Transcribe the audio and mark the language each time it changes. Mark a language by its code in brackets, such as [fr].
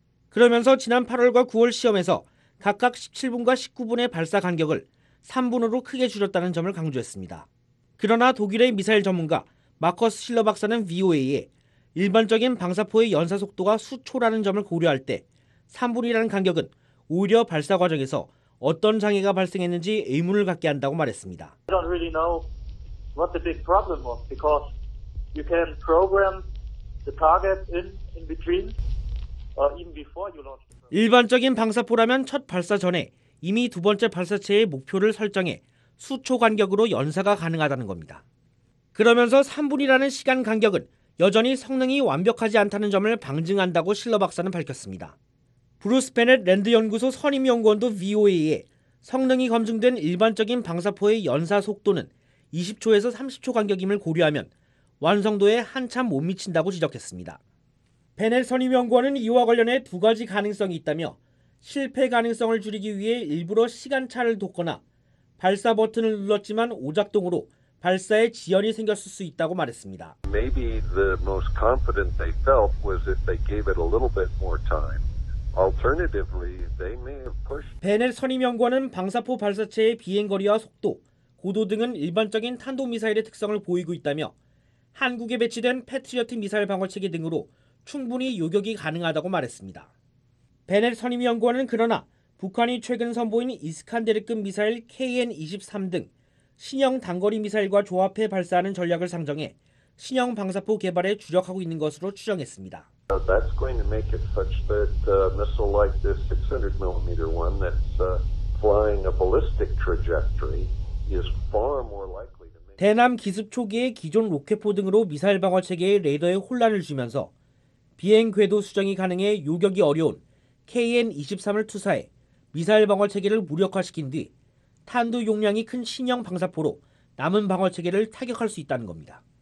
[ko] 그러면서 지난 8월과 9월 시험에서 각각 17분과 19분의 발사 간격을 3분으로 크게 줄였다는 점을 강조했습니다. 그러나 독일의 미사일 전문가 마커스 실러 박사는 VOA에 일반적인 방사포의 연사 속도가 수초라는 점을 고려할 때 3분이라는 간격은 오히려 발사 과정에서 어떤 장애가 발생했는지 의문을 갖게 한다고 말했습니다. [en] I don't really know what the big problem was because you can program the target in between or even before you launch. [ko] 일반적인 방사포라면 첫 발사 전에 이미 두 번째 발사체의 목표를 설정해 수초 간격으로 연사가 가능하다는 겁니다. 그러면서 3분이라는 시간 간격은 여전히 성능이 완벽하지 않다는 점을 방증한다고 실러 박사는 밝혔습니다. 브루스 베넷 랜드연구소 선임연구원도 VOA에 성능이 검증된 일반적인 방사포의 연사 속도는 20초에서 30초 간격임을 고려하면 완성도에 한참 못 미친다고 지적했습니다. 베넷 선임연구원은 이와 관련해 두 가지 가능성이 있다며 실패 가능성을 줄이기 위해 일부러 시간차를 뒀거나 발사 버튼을 눌렀지만 오작동으로 발사에 지연이 생겼을 수 있다고 말했습니다. [en] Maybe the most confident they felt was if they gave it a little bit more time. Alternatively, they may have pushed. [ko] 베넷 선임연구원은 방사포 발사체의 비행 거리와 속도, 고도 등은 일반적인 탄도미사일의 특성을 보이고 있다며 한국에 배치된 패트리어트 미사일 방어체계 등으로 충분히 요격이 가능하다고 말했습니다. 베넷 선임연구원은 그러나 북한이 최근 선보인 이스칸데르급 미사일 KN-23 등 신형 단거리 미사일과 조합해 발사하는 전략을 상정해 신형 방사포 개발에 주력하고 있는 것으로 추정했습니다. [en] That's going to make it such that missile like this 600mm one that's flying a ballistic trajectory is far more likely to make. [ko] 대남 기습 초기에 기존 로켓포 등으로 미사일 방어 체계의 레이더에 혼란을 주면서 비행 궤도 수정이 가능해 요격이 어려운 KN-23을 투사해 미사일 방어 체계를 무력화시킨 뒤 탄두 용량이 큰 신형 방사포로 남은 방어 체계를 타격할 수 있다는 겁니다.